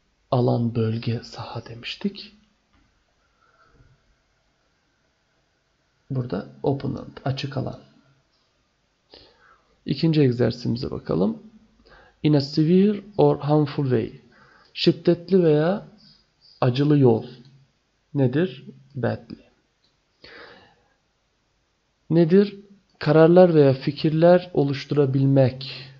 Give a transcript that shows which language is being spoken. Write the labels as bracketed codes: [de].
[tr] Alan, bölge, saha demiştik. Burada open, açık alan. İkinci egzersizimize bakalım. [en] In a severe or harmful way. [tr] Şiddetli veya acılı yol. Nedir? Badly. Nedir? Kararlar veya fikirler oluşturabilmek.